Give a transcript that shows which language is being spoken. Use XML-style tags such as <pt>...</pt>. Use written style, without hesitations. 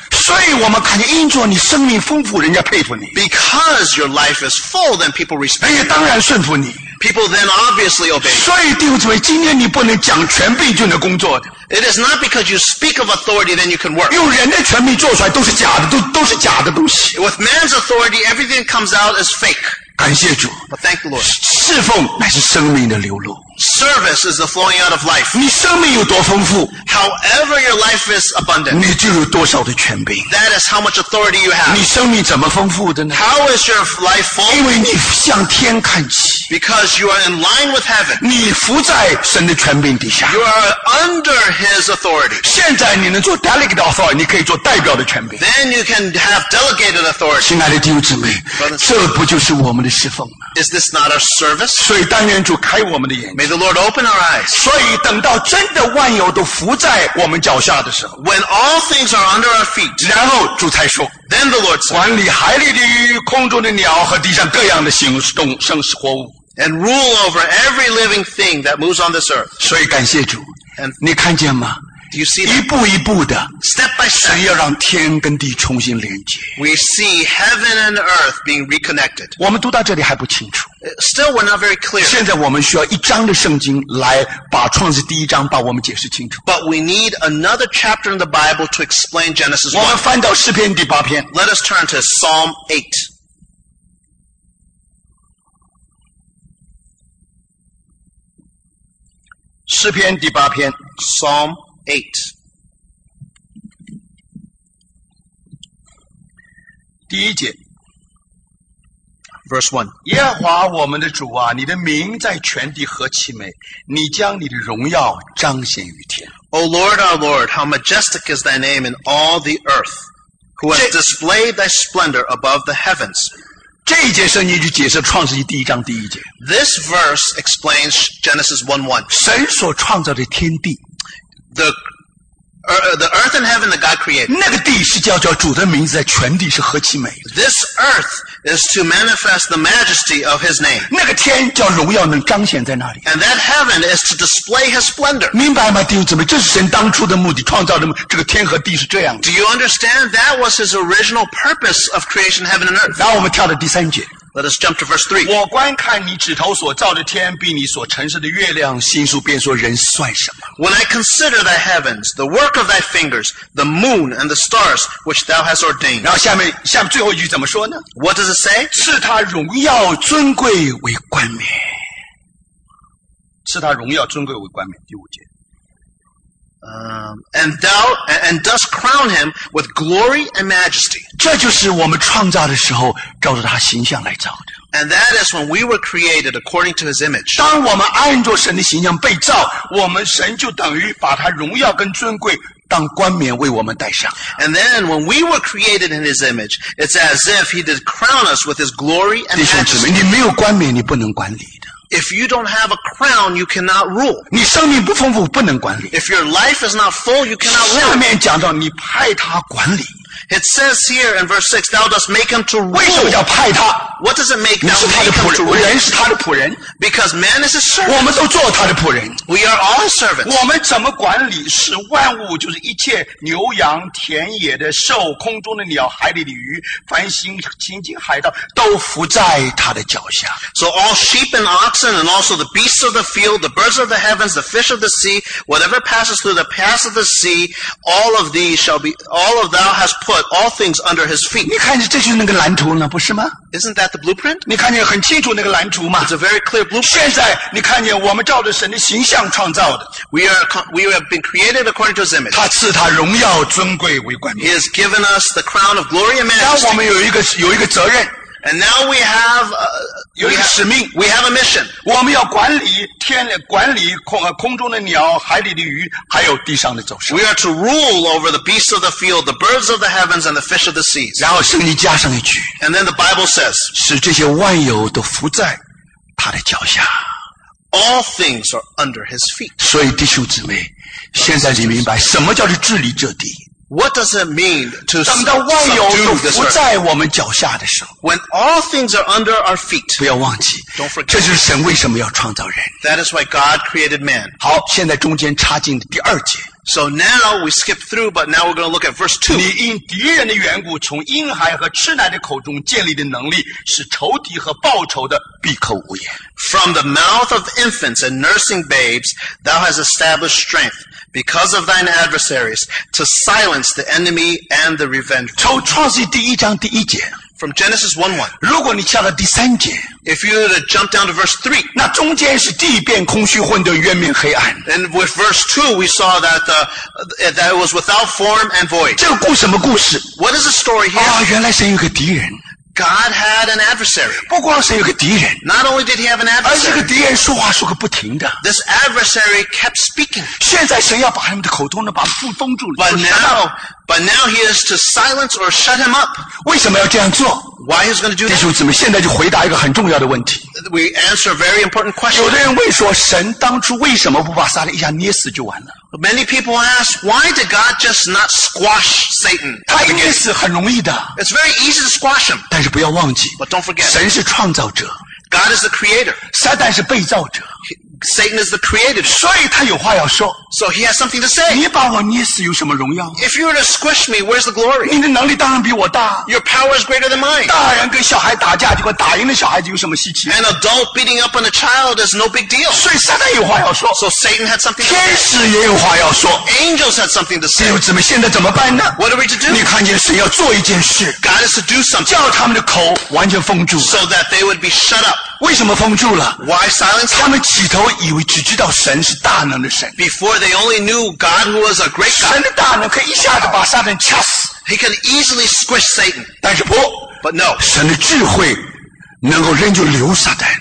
<zh>所以我们看见因着你生命丰富，人家佩服你。</zh> <en>Because your life is full, then people respect you.</en> <zh>人家当然顺服你。</zh> <en>People then obviously obey.</en> <zh>所以弟兄姊妹，今天你不能讲权柄就能工作的。</zh> <en>It is not because you speak of authority then you can work.</en> <zh>用人的权柄做出来都是假的，都是假的东西。</zh> <en>With man's authority, everything comes out as fake.</en> <zh>感谢主。</zh> <en>But thank the Lord.</en> <zh>侍奉乃是生命的流露。</zh> <en>Service is the flowing out of life.</en> <zh>你生命有多丰富？</zh> <en>However your life is abundant.</en> <zh>你就有多少的权柄？</zh> <en>That is how much authority you have.</en> <zh>你生命怎么丰富的呢？</zh> <en>How is your life full?</en> <zh>因为你向天看齐。</zh> <en>Because you are in line with heaven.</en> <zh>你伏在神的权柄底下。</zh> <en>You are under his authority.</en> <zh>现在你能做</zh> <en>delegate authority,</en> <zh>你可以做代表的权柄。</zh> <en>Then you can have delegated authority.</en> <zh>亲爱的弟兄姊妹，这不就是我们的侍奉吗？</zh> <en>Is this not our service?</en> <zh>所以但愿主开我们的眼睛。</zh> <en>May the Lord open our eyes.</en> <zh>所以等到真的万有都伏在我们脚下的时候，</zh> <en>When all things are under our feet,</en> <zh>然后主才说，</zh> <en>Then the Lord said,</en> <zh>管理海里的鱼，空中的鸟和地上各样的行动生活物，</zh> <en>And rule over every living thing that moves on this earth.</en> <zh>所以感谢主，</zh> <en>And,</en> <zh>你看见吗？</zh> <en>Do you see that?</en> <zh>一步一步的</zh> <en>Step by step.</en> <zh>神要让天跟地重新连接</zh> <en>We see heaven and earth being reconnected.</en> <zh>我们读到这里还不清楚</zh> <en>Still we're not very clear.</en> <zh>现在我们需要一章的圣经来把创世第一章把我们解释清楚</zh> <en>But we need another chapter in the Bible to explain Genesis 1.</en> <zh>我们翻到诗篇第八篇</zh> <en>Let us turn to Psalm 8.</en> <zh>诗篇第八篇</zh> <en>Psalm</en> <zh>8第一节</zh> <en>Verse 1</en> <zh>耶和华我们的主啊你的名在全地何其美你将你的荣耀彰显于天</zh> <en>O Lord, our Lord, how majestic is thy name in all the earth who has displayed thy splendor above the heavens</en> <zh>这一节圣经就解释创世纪第一章第一节。</zh> <en>This verse explains Genesis 1:1.</en> <zh>神所创造的天地</zh> <en>the earth and heaven that God created.</en> <zh>那个地是叫主的名字在全地是何其美。</zh> <en>This earth is to manifest the majesty of His name.</en> <zh>那个天叫荣耀能彰显在那里。</zh> <en>And that heaven is to display His splendor.</en> <zh>明白吗弟兄姊妹这是神当初的目的创造的目的这个天和地是这样的。</zh> <en>Do you understand that was His original purpose of creation heaven and earth?</en> <zh>然后我们跳到第三节。</zh> <en>Let us jump to verse 3.</en> <zh>我观看你指头所造的天并你所陈设的月亮星宿便说人算什么。</zh> <en>When I consider thy heavens, the work of thy fingers, the moon and the stars which thou hast ordained.</en> <zh>然后下面最后一句怎么说呢?</zh> <en>What does it say?</en> <zh>赐他荣耀尊贵为冠冕。赐他荣耀尊贵为冠冕。第五节。</zh> <en>And dost crown him with glory and majesty.</en> <zh>这就是我们创造的时候照着他形象来造的。</zh> <en>And that is when we were created according to his image.</en> <zh>当我们按照神的形象被造我们神就等于把他荣耀跟尊贵当冠冕为我们戴上。</zh> <en>And then when we were created in his image, it's as if he did crown us with his glory and majesty.</en> <zh>弟兄姊妹你没有冠冕你不能管理。</zh> <en>If you don't have a crown, you cannot rule.</en> <zh>你生命不丰富不能管理。</zh> <en>If your life is not full, you cannot rule.</en> <zh>下面讲到你派他管理。</zh> <en>It says here in verse 6, thou dost make him to rule.</en> <zh>为什么叫派他?</zh> <en>What does it make thou make him to rule?</en> <zh>人是他的仆人。</zh> <en>Because man is a servant.</en> <zh>我们都做他的仆人。</zh> <en>We are all servants.</en> <zh>我们怎么管理使万物就是一切牛羊田野的兽空中的鸟海里的鱼凡行经海道都伏在他的脚下。</zh> <en>So all sheep and oxen and also the beasts of the field, the birds of the heavens, the fish of the sea, whatever passes through the paths of the sea, all of these shall be, all of thou hast put Put all things under his feet.</en> <zh>你看这就是那个蓝图呢不是吗</zh> <en>Isn't that the blueprint?</en> <zh>你看见很清楚那个蓝图吗</zh> <en>It's a very clear blueprint.</en> <zh>现在你看见我们照着神的形象创造的</zh> <en>We have been created according to his image.</en> <zh>他赐他荣耀尊贵为冠冕</zh> <en>He has given us the crown of glory and majesty.</en> <zh>然后我们有一个责任</zh> <en>And now we have</en> <zh>有一个使命</zh> <en>We have a mission.</en> <zh>我们要管理天管理 空中的鸟海里的鱼还有地上的走兽</zh> <en>We are to rule over the beasts of the field, the birds of the heavens, and the fish of the seas.</en> <zh>然后圣经加上一句</zh> <en>And then the Bible says,</en> <zh>使这些万有都伏在他的脚下</zh> <en>All things are under his feet.</en> <zh>所以弟兄姊妹现在你明白什么叫做治理这地</zh> <en>What does it mean to subdue this earth? When all things are under our feet,</en> <zh>不要忘记,</zh> <en>don't forget.</en> <zh>这就是神为什么要创造人。</zh> <en>That is why God created man.</en> <zh>好，现在中间插进第二节。</zh> <en>So now we skip through, but now we're going to look at verse 2.</en> <zh>你因敌人的缘故，从婴孩和吃奶的口中建立的能力，使仇敌和报仇的闭口无言。</zh> <en>From the mouth of infants and nursing babes, thou hast established strength. Because of thine adversaries, to silence the enemy and the revenge.</en> <zh>从创世第一章第一节</zh> <en>From Genesis 1:1.</en> <zh>如果你跳到第三节</zh> <en>If you were to jump down to verse 3.</en> <zh>那中间是地变空虚混沌渊面黑暗</zh> <en>And with verse 2, we saw that, that it was without form and void.</en> <zh>这个故什么故事</zh> <en>What is the story here?</en> <zh>啊，原来神有个敌人。</zh> <en>God had an adversary.</en> <zh>不光是有个敌人。</zh> <en>Not only did he have an adversary.</en> <zh>而这个敌人说话说个不停的。</zh> <en>This adversary kept speaking.</en> <zh>现在神要把他们的口中呢把他封住了。</zh> <en>But now he is to silence or shut him up.</en> <zh>为什么要这样做?</zh> <en>Why he's going to do that?</en> <zh>弟兄姊妹现在就回答一个很重要的问题。</zh> <en>We answer a very important question.</en> <zh>有的人问说神当初为什么不把撒旦一下捏死就完了。</zh> <en>Many people ask, why did God just not squash Satan?</en> <zh>他应该是很容易的。</zh> <en>It's very easy to squash him.</en> <zh>但是不要忘记。</zh> <en>But don't forget.</en> <zh>神是创造者。</zh> <en>God is the creator.</en> <zh>撒旦是被造者。</zh> <en>Satan is the creative.</en> <zh>所以他有话要说。</zh> <en>So he has something to say.</en> <zh>你把我捏死有什么荣耀？</zh> <en>If you were to squish me, where's the glory?</en> <zh>你的能力当然比我大。</zh> <en>Your power is greater than mine.</en> <zh>大人跟小孩打架，结果打赢了小孩子有什么稀奇？</zh> <en>An adult beating up on a child is no big deal.</en> <zh>所以撒旦有话要说。</zh> <en>So Satan had something to say.</en> <zh>天使也有话要说。</zh> <en>Angels had something to say.</en> <zh>怎么现在怎么办呢？</zh> <en>What are we to do?</en> <zh>你看见神要做一件事。</zh> <en>God is to do something.</en> <zh>叫他们的口完全封住。</zh> <en>So that they would be shut up.</en> <zh>为什么封住了</zh> <en>Why silence?</en> <zh>他们起头以为只知道神是大能的神</zh> <en>Before they only knew God who was a great God</en> <zh>神的大能可以一下子把撒旦掐死</zh> <en>He can easily squish Satan</en> <zh>但是不</zh> <en>But no</en> <zh>神的智慧能够仍旧留撒旦</zh>